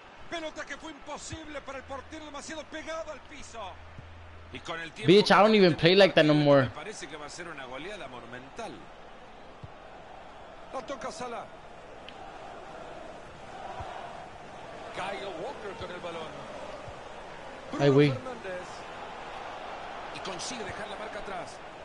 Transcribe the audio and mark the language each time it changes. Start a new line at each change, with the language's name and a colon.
Spanish: Pelota que fue imposible para el portero, demasiado pegado al piso.
English: Y con el tiempo, bitch, I don't even play like that no more.
Spanish: Me parece que va a ser una goleada monumental. La toca Salah. Kyle Walker con el balón. Ay, güey. Y consigue dejar la marca atrás.